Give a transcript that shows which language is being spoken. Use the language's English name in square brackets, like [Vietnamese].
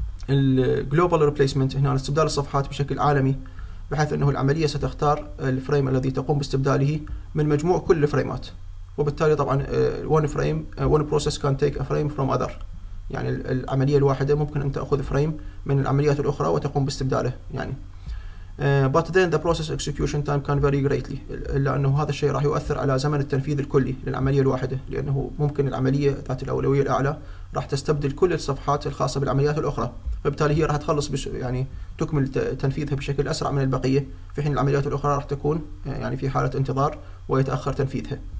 [Arabic] الجلوبال ريبليسمنت هنا استبدال الصفحات بشكل عالمي، بحيث انه العمليه ستختار الفريم الذي تقوم باستبداله من مجموع كل الفريمات، وبالتالي طبعا one فريم [English] one process can take a frame from other، [Arabic] يعني العمليه الواحده ممكن ان تاخذ فريم من العمليات الاخرى وتقوم باستبداله. يعني [English] But then the process execution time can vary greatly. [Arabic] لأنه هذا الشيء راح يؤثر على زمن التنفيذ الكلي للعملية الواحدة، لأنه ممكن العملية ذات الأولوية الأعلى راح تستبدل كل الصفحات الخاصة بالعمليات الأخرى، فبالتالي هي راح تخلص يعني تكمل تنفيذها بشكل أسرع من البقية، في حين العمليات الأخرى راح تكون يعني في حالة انتظار ويتأخر تنفيذها.